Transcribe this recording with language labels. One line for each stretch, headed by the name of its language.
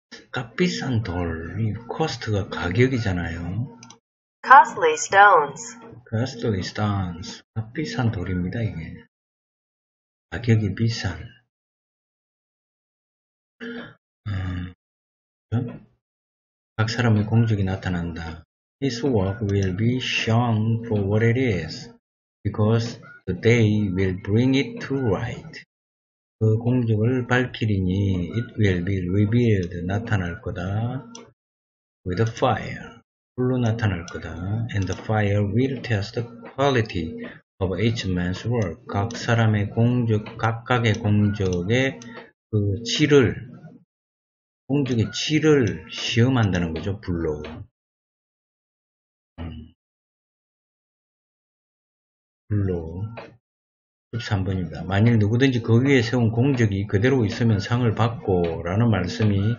Korean: 값비싼 돌, 이 코스트가 가격이잖아요.
English: Costly stones. Costly stones.
Korean: 값비싼 돌입니다, 이게. 가격이 비싼. 각 사람의 공적이 나타난다.
English: His work will be shown for what it is, because the day will bring it to light.
Korean: 그 공적을 밝히리니
English: it will be revealed,
Korean: 나타날 거다.
English: With a fire,
Korean: 불로 나타날 거다.
English: And the fire will test the quality of each man's work.
Korean: 각 사람의 공적, 각각의 공적의 그 질을, 공적의 질을 시험한다는 거죠, 불로. 불로. 13번입니다. 만일 누구든지 그 위에 세운 공적이 그대로 있으면 상을 받고 라는 말씀이